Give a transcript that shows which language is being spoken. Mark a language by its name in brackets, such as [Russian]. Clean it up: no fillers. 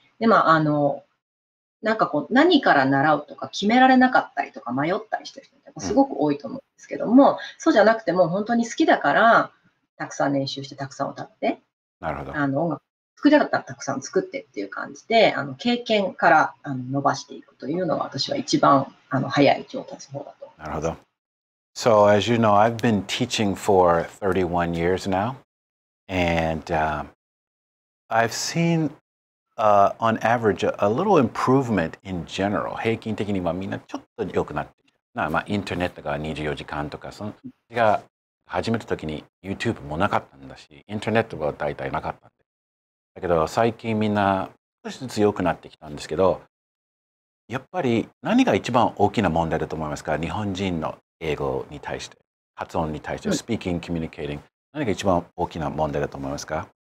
[Japanese] でも、あの、なんかこう、何から習うとか決められなかったりとか迷ったりしてる人ってすごく多いと思うんですけど、そうじゃなくても本当に好きだからたくさん練習してたくさん歌って。なるほど。あの、音楽なるほど。 [English] So as you know, I've been teaching for 31 years now, and I've seen on average, a little improvement in general. [Japanese] 平均的にはみんなちょっと良くなってきた。まあ、インターネットが24時間とか、その時が始めた時に YouTube もなかったんだし、インターネットは大体なかったんで。だけど、最近みんな少しずつ良くなってきたんですけど、やっぱり何が一番大きな問題だと思いますか？日本人の英語に対して、発音に対して、うん、スピーキング、コミュニケーティング、何が一番大きな問題だと思いますか？